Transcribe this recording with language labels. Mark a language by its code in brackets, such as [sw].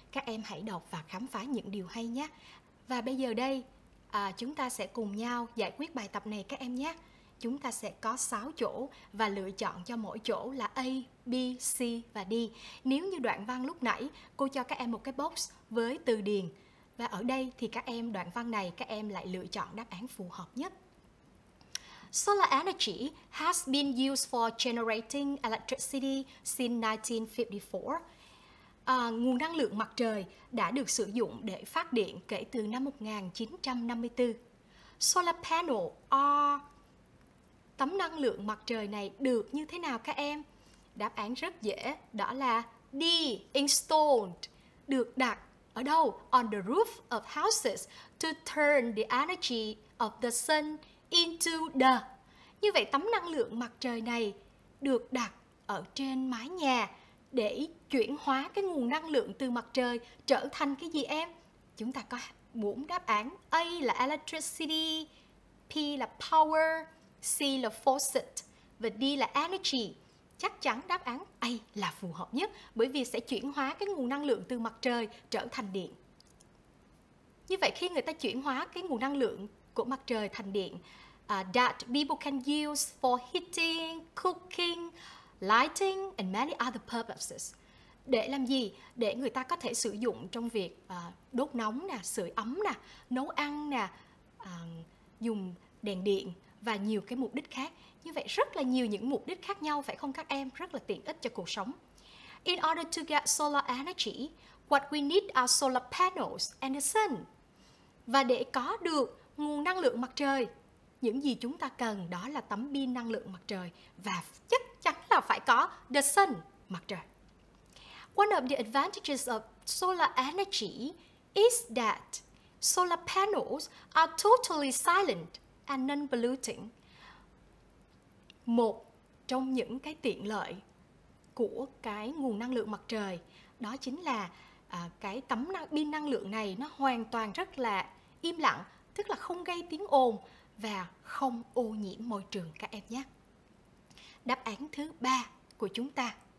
[vi] Các em hãy đọc và khám phá những điều hay nhé. Và bây giờ đây, chúng ta sẽ cùng nhau giải quyết bài tập này các em nhé. Chúng ta sẽ có 6 chỗ và lựa chọn cho mỗi chỗ là A, B, C và D. Nếu như đoạn văn lúc nãy, cô cho các em một cái box với từ điền. Và ở đây thì các em, đoạn văn này, các em lại lựa chọn đáp án phù hợp nhất. [en] Solar energy has been used for generating electricity since 1954. [vi] Nguồn năng lượng mặt trời đã được sử dụng để phát điện kể từ năm 1954. [en] Solar panel are... [vi] Tấm năng lượng mặt trời này được như thế nào các em? Đáp án rất dễ, đó là D, installed, được đặt ở đâu? [en] On the roof of houses to turn the energy of the sun into the. [vi] Như vậy tấm năng lượng mặt trời này được đặt ở trên mái nhà để chuyển hóa cái nguồn năng lượng từ mặt trời trở thành cái gì em? Chúng ta có 4 đáp án: A là electricity, P là power, C là faucet và D là energy. Chắc chắn đáp án A là phù hợp nhất bởi vì sẽ chuyển hóa cái nguồn năng lượng từ mặt trời trở thành điện. Như vậy khi người ta chuyển hóa cái nguồn năng lượng của mặt trời thành điện [en] that people can use for heating, cooking, lighting and many other purposes. [vi] Để làm gì? Để người ta có thể sử dụng trong việc đốt nóng nè, sưởi ấm nè, nấu ăn nè, dùng đèn điện và nhiều cái mục đích khác. Như vậy rất là nhiều những mục đích khác nhau, phải không các em? Rất là tiện ích cho cuộc sống. [en] In order to get solar energy, what we need are solar panels and the sun. [vi] Và để có được nguồn năng lượng mặt trời, những gì chúng ta cần đó là tấm pin năng lượng mặt trời và chắc chắn là phải có the sun, mặt trời. [en] One of the advantages of solar energy is that solar panels are totally silent and non-polluting. [vi] Một trong những cái tiện lợi của cái nguồn năng lượng mặt trời đó chính là cái tấm pin năng lượng này nó hoàn toàn rất là im lặng, tức là không gây tiếng ồn và không ô nhiễm môi trường các em nhé. Đáp án thứ 3 của chúng ta